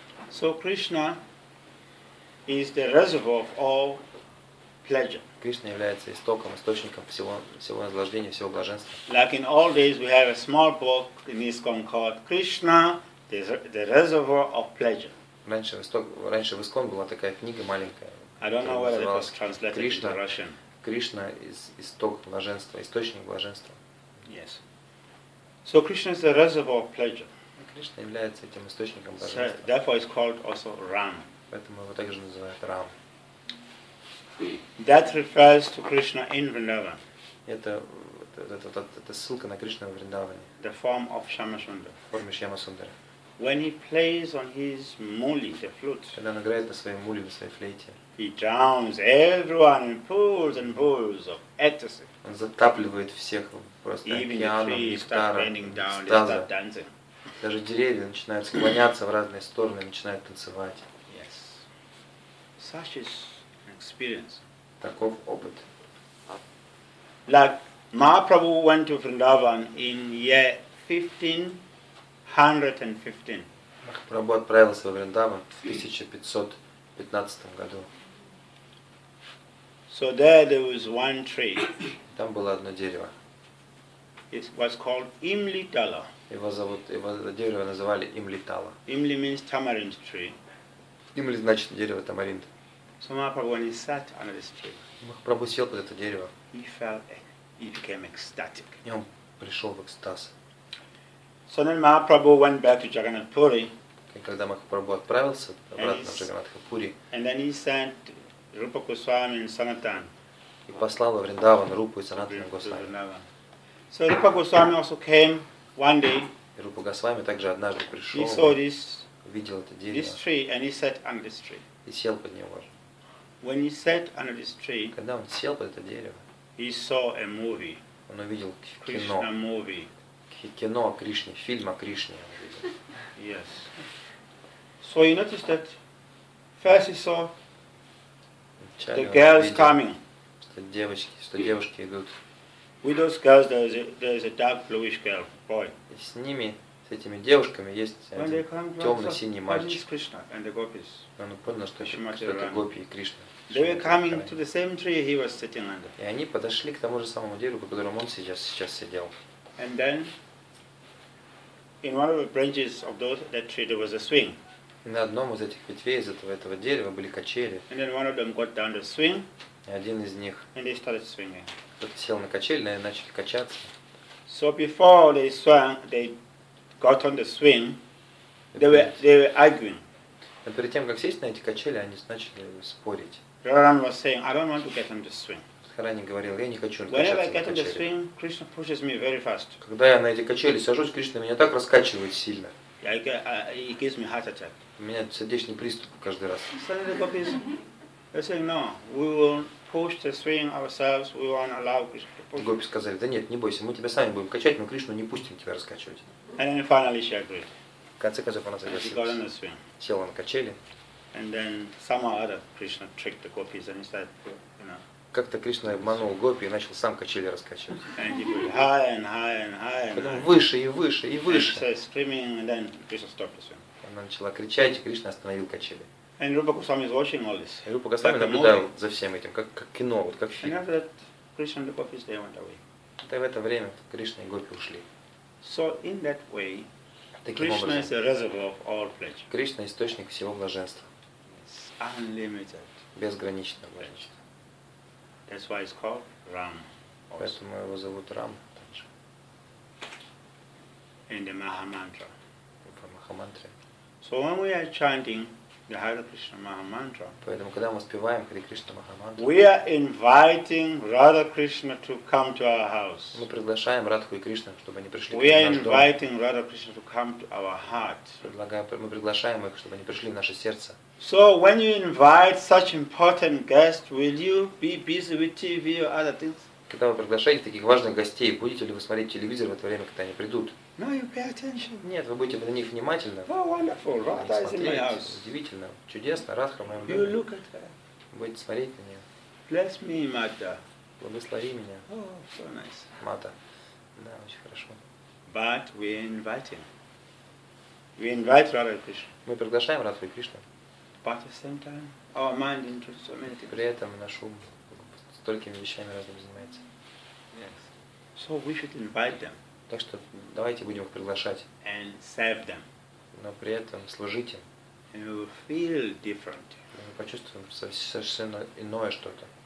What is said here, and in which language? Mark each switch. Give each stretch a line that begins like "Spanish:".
English: So Krishna is the reservoir of all pleasure.
Russian: Кришна является истоком, источником всего наслаждения, всего блаженства.
English: Like in old days, we have a small book in ISKCON called Krishna, the reservoir of pleasure.
Russian: Раньше в ISKCON была такая книга маленькая.
English: I don't know whether it was translated into Russian.
Russian: Кришна из исток блаженства, источник блаженства.
English: Yes. So Krishna is the reservoir of pleasure.
Russian: Кришна является этим источником блаженства.
English: Therefore, it's called also Ram.
Russian: Поэтому его также называют Рам.
English: That refers to Krishna in Vrindavan.
Russian: Это ссылка на Кришну в Вриндаване.
English: The form of Shyamasundara.
Russian: Форма Шьямасундары.
English: When he plays on his muli, the flute.
Russian: Когда он играет на своей муле, на своей флейте.
English: He drowns everyone in pools and pools of ecstasy.
Russian: Он затапливает всех просто океаном нектара. Даже деревья начинают склоняться в разные стороны, начинают танцевать.
English: Yes. Such is experience.
Russian: Таков опыт.
English: Like Mahaprabhu went to Vrindavan in year 1515.
Russian: Махапрабху отправился в Вриндаван в 1515 году.
English: So there was one tree.
Russian: Там было одно дерево.
English: It was called Imlitala.
Russian: Его дерево называли Имлитала.
English: Imli means tamarind tree.
Russian: Имли значит дерево тамаринд.
English: So Mahaprabhu, when he sat under this tree,
Russian: Махапрабху сел под это дерево.
English: He became ecstatic.
Russian: И он пришел в экстаз.
English: So then Mahaprabhu went back to Jagannath Puri.
Russian: И когда Махапрабху отправился обратно в Джаганнатха Пури,
English: and then he sent Rupa Goswami and Sanatan.
Russian: И послал во Вриндаван Рупу и Санатана Госвами.
English: So Rupa Goswami also came one day.
Russian: И Рупа Госвами также однажды пришел.
English: He saw this.
Russian: Видел это дерево.
English: This tree, and he sat under this tree.
Russian: И сел под него.
English: When he sat under this tree,
Russian: когда он сел под это дерево,
English: he saw a movie.
Russian: Он увидел кино.
English: Krishna movie.
Russian: Кино о Кришне, фильм о Кришне.
English: Yes. So you notice that first he saw the girls coming.
Russian: Что девушки идут.
English: With those girls, there is a dark bluish girl, boy.
Russian: И с ними, с этими девушками есть темно-синий мальчик.
English: And the gopis.
Russian: Он понял, что это гопи и Кришна.
English: They were coming to the same tree he was sitting under.
Russian: И они подошли к тому же самому дереву, по которому он сейчас сидел.
English: And then, in one of the branches of that tree, there was a swing.
Russian: И на одном из этих ветвей из этого дерева были качели.
English: And then one of them got down the swing.
Russian: И один из них.
English: And they started swinging.
Russian: Кто-то сел на качель, и начали качаться.
English: So before they swung, they got on the swing. They were arguing.
Russian: Но перед тем, как сесть на эти качели, они начали спорить.
English: Радхарани was saying, I don't want to get on the swing.
Russian: Радхарани говорил, я не хочу качаться на качели.
English: Whenever I get on the swing, Krishna pushes me very fast.
Russian: Когда я на эти качели сажусь, Кришна меня так раскачивает сильно.
English: He gives me heart attack.
Russian: У меня сердечный приступ каждый раз.
English: Suddenly the gopis, they're saying, no, we will push the swing ourselves, we won't allow Krishna to push.
Russian: Гопи сказали, да нет, не бойся, мы тебя сами будем качать, но Кришну не пустим тебя раскачивать.
English: And then finally she agreed.
Russian: В конце концов, она согласилась. Села на качели.
English: And then some other Krishna tricked the gopis and he said, you know.
Russian: Как-то Кришна обманул гопи и начал сам качели раскачивать.
English: And he went higher and higher and higher.
Russian: Потом выше и выше и выше.
English: And he started screaming and then Krishna stopped as well.
Russian: Она начала кричать, и Кришна остановил качели.
English: And Rupa Goswami is watching all this.
Russian: Rupa Goswami наблюдал за всем этим, как кино, вот как фильм.
English: And after that, Krishna and the gopis they went away.
Russian: Это в это время Кришна и гопи ушли.
English: So in that way, Krishna is the reservoir of all pleasure.
Russian: Кришна источник всего блаженства.
English: It's unlimited.
Russian: Безграничное блаженство.
English: That's why it's called Ram.
Russian: Поэтому его зовут Рам.
English: In the Mahamantra.
Russian: В Махамантре.
English: So when we are chanting the Hare Krishna Mahamantra,
Russian: поэтому когда мы спеваем Хари Кришна Махамантру,
English: we are inviting Radha Krishna to come to our house.
Russian: Мы приглашаем Радху и Кришну, чтобы они пришли к нам.
English: We are inviting Radha Krishna to come to our heart.
Russian: Мы приглашаем их, чтобы они пришли в наше сердце.
English: So when you invite such important guests, will you be busy with TV or other things?
Russian: Когда вы приглашаете таких важных гостей, будете ли вы смотреть телевизор в это время, когда они придут?
English: No, you pay attention.
Russian: Нет, вы будете на них внимательны.
English: Oh, wonderful! Radha is in my house.
Russian: Удивительно, чудесно, Радха в моем доме.
English: You look at her.
Russian: Будете смотреть на нее.
English: Bless me, Mata.
Russian: Благослови меня.
English: Oh, so nice.
Russian: Мата. Да, очень хорошо.
English: But we're inviting. We invite Radha Krishna.
Russian: Мы приглашаем Радху и Кришну.
English: But at the same time, our mind into so many things.
Russian: При этом наш ум столькими вещами разными занимается.
English: Yes. So we should invite them.
Russian: Так что давайте будем их приглашать.
English: And serve them.
Russian: Но при этом служите.
English: And we will feel different.
Russian: Мы почувствуем совершенно иное что-то.